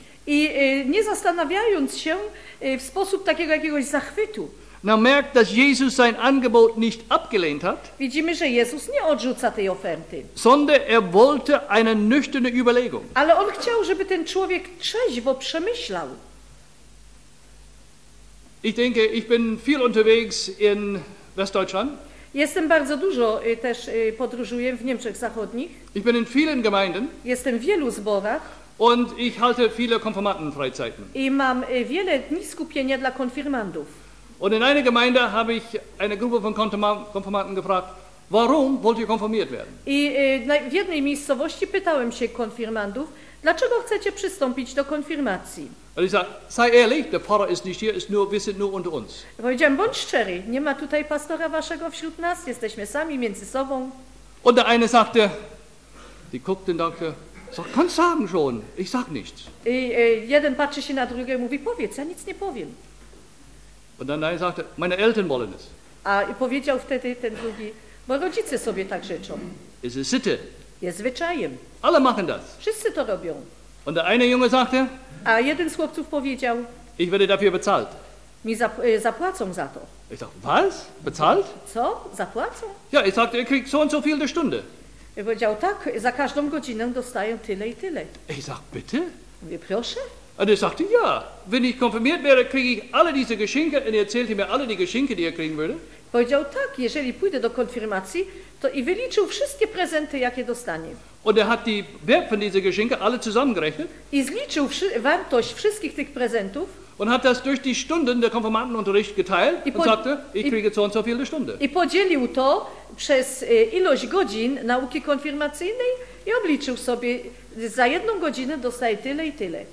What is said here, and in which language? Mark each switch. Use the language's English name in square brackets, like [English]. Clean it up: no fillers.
[Polish] I nie zastanawiając się w sposób takiego jakiegoś zachwytu. [German] Now merkt, dass Jesus sein Angebot nicht abgelehnt hat. [Polish] Widzimy, że Jezus nie odrzuca tej oferty. [German] Sondern er wollte eine nüchterne Überlegung. [Polish] Ale on chciał, żeby ten człowiek trzeźwo przemyślał. [German] Ich denke, ich bin viel unterwegs in Westdeutschland. [Polish] Jestem bardzo dużo też podróżuję w Niemczech Zachodnich. [German] Ich bin in vielen Gemeinden. [Polish] Jestem w wielu zborach. [German] Und ich halte viele Konfirmandenfreizeiten. [Polish] I mam wiele dni skupienia dla konfirmandów. [German] Und in einer Gemeinde habe ich eine Gruppe von Konfirmanten gefragt, warum wollt ihr konfirmiert werden? [Polish] I w jednej miejscowości pytałem się konfirmandów, dlaczego chcecie przystąpić do konfirmacji? [German] Und ich sagte, sei ehrlich, der Pfarrer ist nicht hier, ist nur, wir sind nur unter uns. [Polish] Powiedziałem, bądź szczery, nie ma tutaj pastora waszego wśród nas, jesteśmy sami między sobą. [German] Und der eine sagte, die guckte und dachte, sag, kannst sagen schon, ich sag nichts. [Polish] I jeden patrzy się na drugie i mówi, powiedz, ja nic nie powiem. [German] Und dann sagte, meine Eltern wollen es. [Polish] A i powiedział wtedy ten drugi, bo rodzice sobie tak życzą. [German] Es ist Sitte. [Polish] Jest zwyczajem. [German] Alle machen das. [Polish] Wszyscy to robią. [German] Und der eine Junge sagte, [Polish] a jeden z chłopców powiedział, [German] ich werde dafür bezahlt. [Polish] Mi zapłacą za to. [German] Ich sagte, was? Bezahlt? [Polish] Co? Zapłacą? [German] Ja, ich sagte, ihr kriegt so und so viel die Stunde. [Polish] I powiedział, tak, za każdą godzinę dostaję tyle i tyle. [German] Ich sagte, bitte? [Polish] Mówię, proszę. [German] Und er sagte, ja, wenn ich konfirmiert werde, kriege ich alle diese Geschenke. Und er erzählte mir alle die Geschenke, die er kriegen würde. [Polish] Powiedział, tak, jeżeli pójdę do konfirmacji, to i wyliczył wszystkie prezenty, jakie dostanie. [German] Und hat die Wert von dieser Geschenke alle zusammengerechnet. [Polish] I zliczył wartość wszystkich tych prezentów. [German] Und hat das durch die Stunden der Konfirmandenunterricht geteilt und sagte, ich kriege so und so viele Stunden. [Polish] I podzielił to przez ilość godzin nauki konfirmacyjnej i obliczył sobie, za jedną godzinę dostaje tyle i tyle.